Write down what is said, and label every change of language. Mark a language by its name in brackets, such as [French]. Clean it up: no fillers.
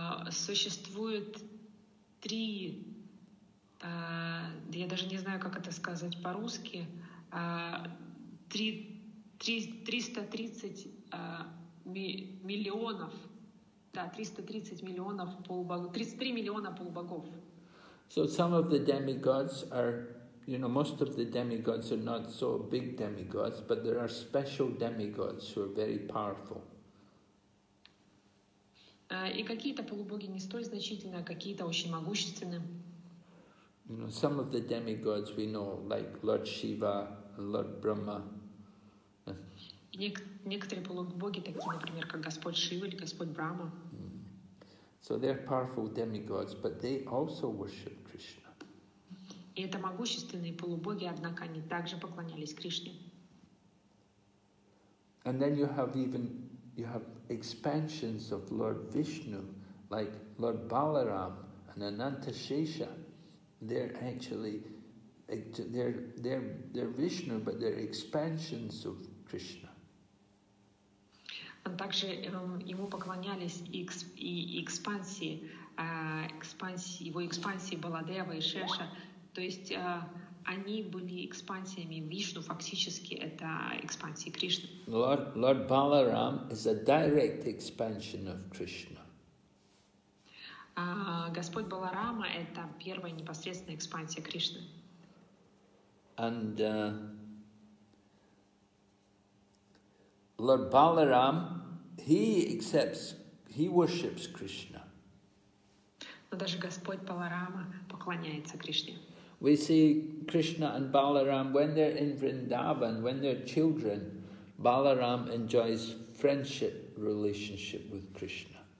[Russian] Существует три, я даже не знаю, как это сказать по-русски, 330 миллионов полубогов, 33 миллиона полубогов. [English] So some of the demigods are, you know, most of the demigods are not so big demigods, but there are special demigods who are very powerful. [Russian] И какие-то полубоги не столь значительны, а какие-то очень могущественны. [English] You know, some of the demigods we know, like Lord Shiva and Lord Brahma. [Russian] Некоторые полубоги, такие, например, как Господь Шива или Господь Брахма. [English] So they're powerful demigods, but they also worship Krishna. [Russian] И это могущественные полубоги, однако они также поклонялись Кришне. [English] And then you have expansions of Lord Vishnu like Lord Balaram and Anantashesha, they're actually they're Vishnu, but they're expansions of Krishna. [Russian] Также ему поклонялись и экспансии, экспансии, его экспансии Баладева и Шеша, то есть они были экспансиями Вишну, фактически это экспансии Кришны. [English] Lord Balaram is a direct expansion of Krishna. [Russian] Господь Баларама — это первая непосредственная экспансия Кришны. [English] And Lord Balaram, he worships Krishna. [Russian] Но даже Господь Баларама поклоняется Кришне. [English] We see Krishna and Balaram when they're in Vrindavan, when they're children, Balaram enjoys friendship relationship with Krishna.